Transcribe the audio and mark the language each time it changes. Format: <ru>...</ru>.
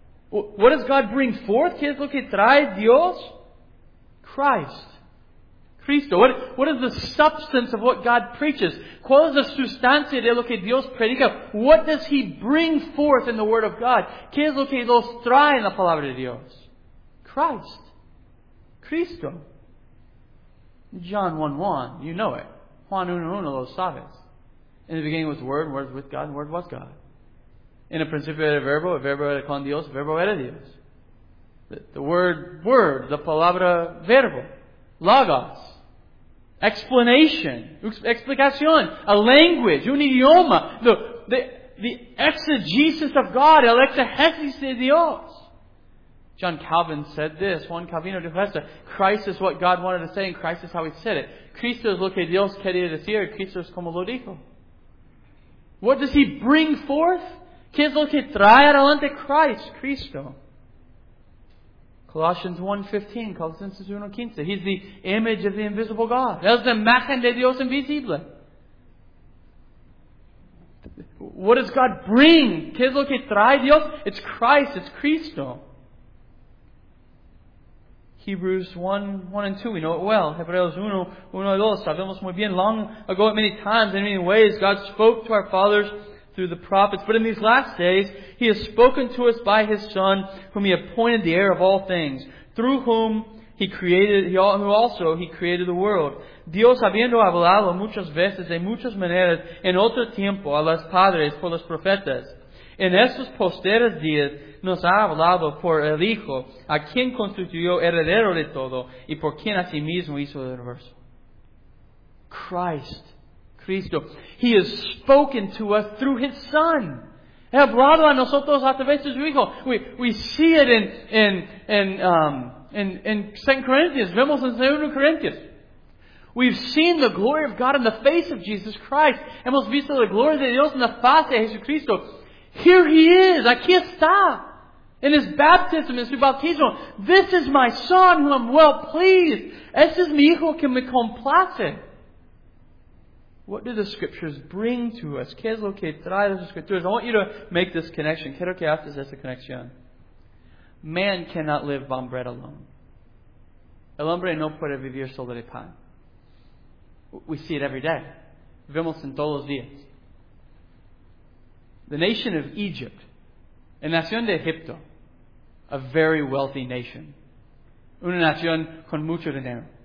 <en>What does God bring forth?</en> <es>¿Qué es lo que trae Dios? Christ. Cristo.</es> <en>What is the substance of what God preaches?</en> <es>¿Cuál es la sustancia de lo que Dios predica?</es> <en>What does He bring forth in the Word of God?</en> <es>¿Qué es lo que Dios trae en la Palabra de Dios?</es> <en>Christ. Cristo. John 1:1. You know it.</en> <es>Juan 1:1 lo sabes.</es> <en>In the beginning was the Word, Word was with God, and Word was God.</en> <es>In the principio era el verbo era con Dios, verbo era Dios. The word, the palabra, verbo. Logos.</es> <en>Explanation. Explicación. A language,</en> <es>un idioma.</es> <en>The exegesis of God,</en> <es>el exegesis de Dios.</es> <en>John Calvin said this,</en> <es>Juan Calvino dijo esto,</es> <en>Christ is what God wanted to say, and Christ is how He said it.</en> <es>Cristo es lo que Dios quería decir, Cristo es como lo dijo.</es> <en>What does He bring forth?</en> <es>¿Qué es lo que trae adelante Christ, Cristo?</es> <en>Colossians 1:15, Colossians 1:15. He's the image of the invisible God.</en> <es>Es la imagen de Dios invisible.</es> <en>What does God bring?</en> <es>¿Qué es lo que trae Dios?</es> <en>It's Christ, it's Cristo. Hebrews 1:1-2, we know it well.</en> <es>Hebreos 1:1-2, sabemos muy bien.</es> <en>Long ago, at many times, in many ways, God spoke to our fathers through the prophets. But in these last days, He has spoken to us by His Son, whom He appointed the heir of all things, through whom He created, who also He created the world.</en> <es>Dios habiendo hablado muchas veces, de muchas maneras, en otro tiempo, a los padres, por los profetas. En estos posteros días, nos ha hablado por el Hijo, a quien constituyó heredero de todo, y por quien asimismo hizo el universo.</es> <en>Christ. Cristo. He has spoken to us through His Son.</en> <es>He hablado a nosotros a través de su Hijo.</es> <en>We see it in 2 Corinthians.</en> <es>Vemos en 2 Corinthians.</es> <en>We've seen the glory of God in the face of Jesus Christ.</en> <es>Hemos visto la gloria de Dios en la face de Jesucristo.</es> <en>Here He is.</en> <es>Aquí está.</es> <en>In His baptism, in His bautismo. This is my Son whom I'm well pleased.</en> <es>Este es mi Hijo que me complace.</es> <en>What do the Scriptures bring to us?</en> <es>¿Qué es lo que trae las Escrituras?</es> <en>I want you to make this connection.</en> <es>Quiero que haces esta conexión.</es> <en>Man cannot live on bread alone.</en> <es>El hombre no puede vivir solo de pan.</es> <en>We see it every day.</en> <es>Vemos en todos los días.</es> <en>The nation of Egypt,</en> <es>la nación de Egipto,</es> <en>a very wealthy nation,</en> <es>una nación con mucho dinero.</es>